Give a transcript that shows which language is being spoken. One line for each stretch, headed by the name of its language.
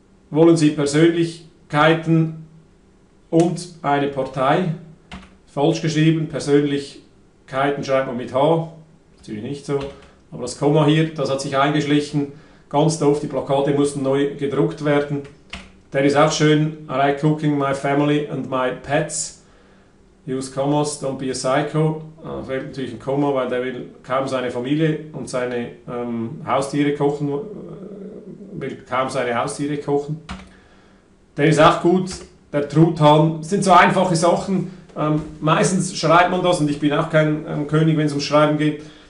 German: Wollen Sie Persönlichkeiten und eine Partei? Falsch geschrieben. Persönlichkeiten schreibt man mit H. Natürlich nicht so. Aber das Komma hier, das hat sich eingeschlichen. Ganz doof. Die Plakate mussten neu gedruckt werden. Der ist auch schön.
English: I like cooking my family and my pets. Use commas, don't be a psycho.
German: Da fehlt natürlich ein Komma, weil der will kaum seine Familie und seine Haustiere kochen. Will kaum seine Haustiere kochen. Der ist auch gut. Der Truthahn. Das sind so einfache Sachen. Meistens schreibt man das, und ich bin auch kein König, wenn es ums Schreiben geht.